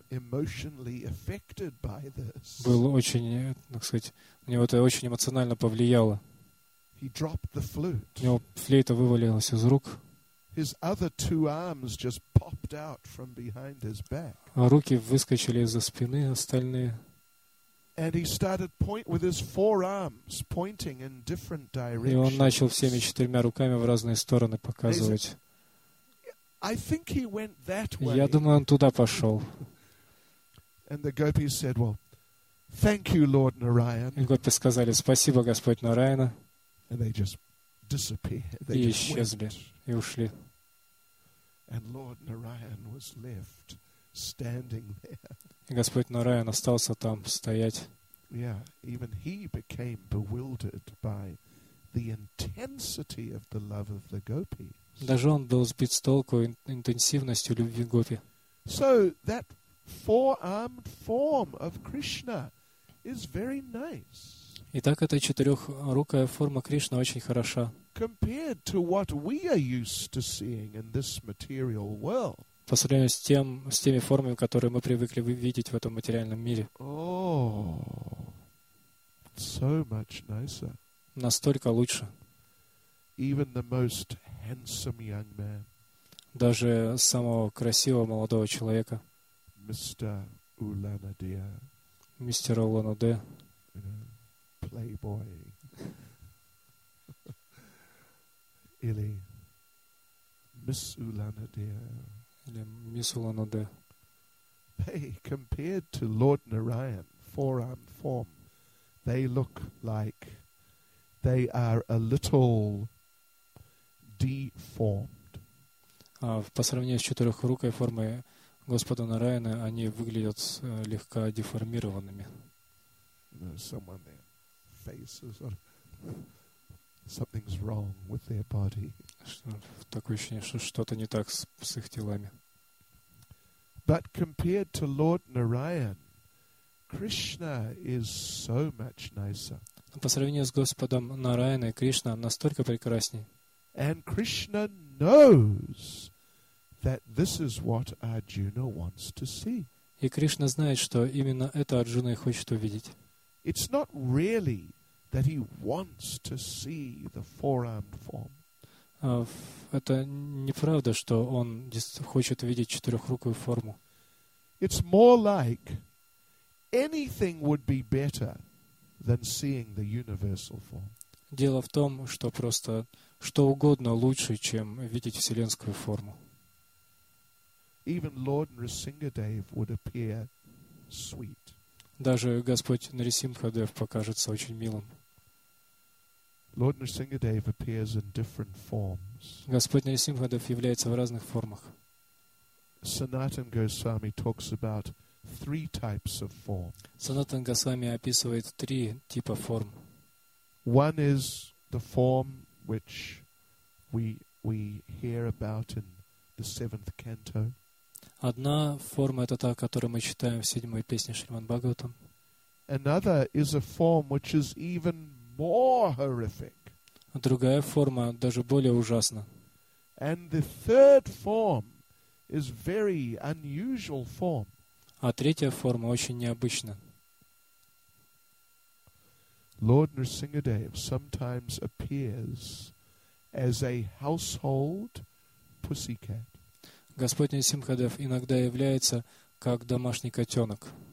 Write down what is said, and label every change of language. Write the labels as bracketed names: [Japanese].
[English] emotionally affected by this. [Russian] Был очень, так сказать, на него это очень эмоционально повлияло. [English] He dropped the flute. [Russian] У него флейта вывалилась из рук. [English] His other two arms just popped out from behind his back. [Russian] А руки выскочили из-за спины остальные. [English] And he started point with his forearms, pointing in different directions. [Russian] И он начал всеми четырьмя руками в разные стороны показывать. [English] I think he went that way. [Russian] Я думаю, он туда пошел. [English] And the gopis said, "Well, thank you, Lord Narayan." [Russian] И гопи сказали: "Спасибо, Господь Нараяна." [English] And they just disappeared. They [Russian] и исчезли [English] went. [Russian] И ушли. [English] And Lord Narayan was left standing there. [Russian] И Господь Нараян остался там стоять. [English] Yeah, even he became bewildered by the intensity of the love of the gopis. [Russian] Даже он был сбит с толку интенсивностью любви Гопи. [English] So that four-armed form of Krishna is very nice. [Russian] Итак, эта четырехрукая форма Кришны очень хороша. [English] Compared to what we are used to seeing in this material world. [Russian] По сравнению с теми формами, которые мы привыкли видеть в этом материальном мире. [English] Oh, so much nicer. [Russian] Настолько лучше. [English] Even the most handsome young man. [Russian] Даже самого красивого молодого человека. [English] Mr. Ulanade. [Russian] Мистер Улан-Удэ. [English] Playboy. [Russian] Или Miss Ulanade. [English] Miss Ulanade. They compared to Lord Narayan, forearm form, they look like they are a little deformed. [Russian] По сравнению с четырехрукой формой Господа Нараяна, они выглядят легко деформированными. [English] Someone there. Faces or something's wrong with their body. [Russian] Такое ощущение, что что-то не так с их телами. [English] But compared to Lord Narayan, Krishna is so much nicer. [Russian] По сравнению с Господом Нараяной, Кришна настолько прекрасней. [English] And Krishna knows that this is what Arjuna wants to see. [Russian] И Кришна знает, что именно это Арджуна хочет увидеть. [English] It's not really that he wants to see the four-armed form. [Russian] Это не правда, что он хочет видеть четырехрукую форму. [English] It's more like anything would be better than seeing the universal form. [Russian] Дело в том, что просто что угодно лучше, чем видеть вселенскую форму. [English] Even Lord Nrisimhadev would appear sweet. [Russian] Даже Господь Нарисимхадев покажется очень милым. [English] Lord Nrisimhadev appears in different forms. [Russian] Господь Нарисимхадев является в разных формах. [English] Sanatan Goswami talks about three types of form. [Russian] Sanatan Goswami описывает три типа форм. [English] One is the form which we hear about in the seventh canto. [Russian] Одна форма — это та, которую мы читаем в седьмой песне Шримад-Бхагаватам. [English] Another is a form which is even more horrific. [Russian] Другая форма даже более ужасна. [English] And the third form is very unusual form. [Russian] А третья форма очень необычна. [English] Lord Nrisimhadev sometimes appears as a household pussycat. [Russian] Господь Нрисимхадев иногда является как домашний котенок.